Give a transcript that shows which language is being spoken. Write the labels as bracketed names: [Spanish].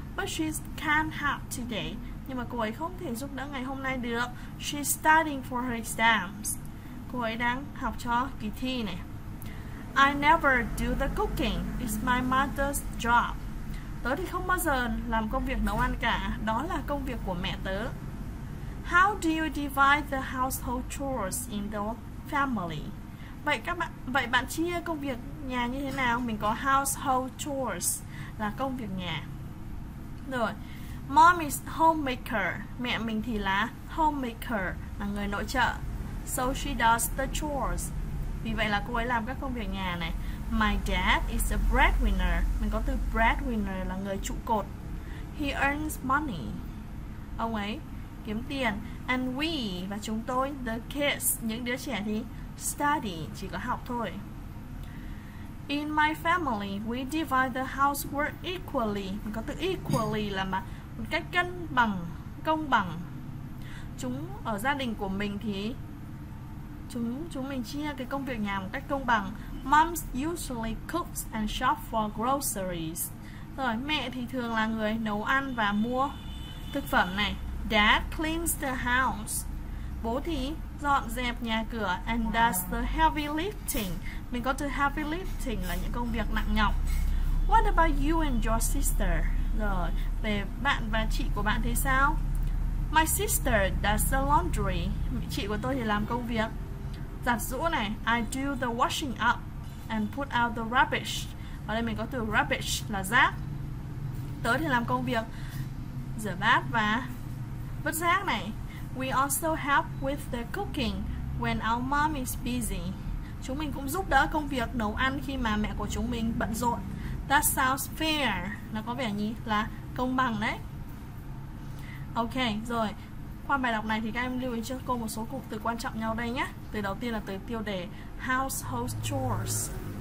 [English] But she can't help today. [Vietnamese] Nhưng mà cô ấy không thể giúp đỡ ngày hôm nay được. [English] She's studying for her exams. [Vietnamese] Cô ấy đang học cho kỳ thi này. [English] I never do the cooking. It's my mother's job. [Vietnamese] Tớ thì không bao giờ làm công việc nấu ăn cả. Đó là công việc của mẹ tớ. [English] How do you divide the household chores in the family? [Vietnamese] Vậy bạn chia công việc nhà như thế nào? Mình có household chores là công việc nhà. Rồi, [English] mom is homemaker. [Vietnamese] Mẹ mình thì là homemaker, là người nội trợ. [English] So she does the chores. [Vietnamese] Vì vậy là cô ấy làm các công việc nhà này. [English] My dad is a breadwinner. [Vietnamese] Mình có từ breadwinner là người trụ cột. [English] He earns money. [Vietnamese] Ông ấy kiếm tiền. [English] And we, [Vietnamese] và chúng tôi, [English] the kids, [Vietnamese] những đứa trẻ thì study, chỉ có học thôi. [English] In my family, we divide the housework equally. [Vietnamese] Mình có từ equally là mà một cách cân bằng, công bằng. Chúng ở gia đình của mình thì chúng mình chia cái công việc nhà một cách công bằng. [English] Mom usually cooks and shop for groceries. [Vietnamese] Rồi, mẹ thì thường là người nấu ăn và mua thực phẩm này. [English] Dad cleans the house. [Vietnamese] Bố thì dọn dẹp nhà cửa [English] and does the heavy lifting. [Vietnamese] Mình có từ heavy lifting là những công việc nặng nhọc. [English] What about you and your sister? [Vietnamese] Rồi, về bạn và chị của bạn thì sao? [English] My sister does the laundry. [Vietnamese] Chị của tôi thì làm công việc giặt giũ này. [English] I do the washing up and put out the rubbish. [Vietnamese] Ở đây mình có từ rubbish là rác. Tớ thì làm công việc rửa bát và vứt rác này. [English] We also help with the cooking when our mom is busy. [Vietnamese] Chúng mình cũng giúp đỡ công việc nấu ăn khi mà mẹ của chúng mình bận rộn. [English] That sounds fair. [Vietnamese] Nó có vẻ như là công bằng đấy. Ok, rồi. Qua bài đọc này thì các em lưu ý cho cô một số cụm từ quan trọng nhau đây nhé. Từ đầu tiên là từ tiêu đề household chores.